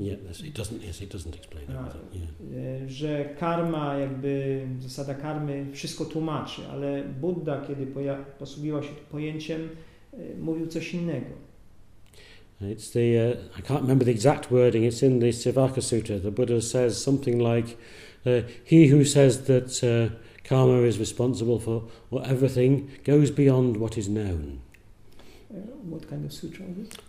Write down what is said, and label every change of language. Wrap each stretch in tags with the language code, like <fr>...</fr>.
<en>Yeah, it doesn't explain everything.</en> <pl>Że karma, jakby zasada karmy, wszystko tłumaczy, ale Budda, kiedy posługiwał się tym pojęciem, mówił coś innego.</pl> <en>It's the I can't remember the exact wording. It's in the Sivaka Sutra. The Buddha says something like, "He who says that karma is responsible for everything goes beyond what is known." What kind of sutra is it?</en>